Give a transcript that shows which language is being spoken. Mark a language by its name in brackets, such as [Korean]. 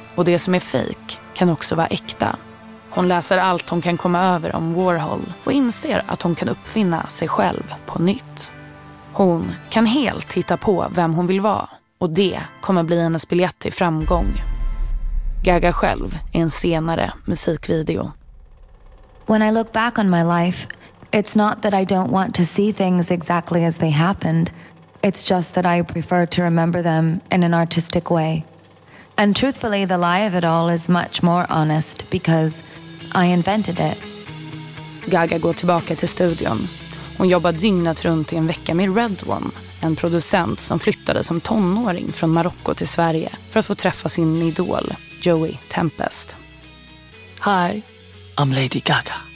[Swedish] Och det som är fejk kan också vara äkta. Hon läser allt hon kan komma över om Warhol och inser att hon kan uppfinna sig själv på nytt. Hon kan helt hitta på vem hon vill vara och det kommer bli hennes biljett till framgång. Gaga själv är en senare musikvideo. [English] When I look back on my life, it's not that I don't want to see things exactly as they happened. It's just that I prefer to remember them in an artistic way. And truthfully, the lie of it all is much more honest because I invented it. [Swedish] Gaga går tillbaka till studion. Hon jobbar dygnet runt i en vecka med Red One, en producent som flyttade som tonåring från Marocko till Sverige för att få träffa sin idol, Joey Tempest. [English] Hi, I'm Lady Gaga.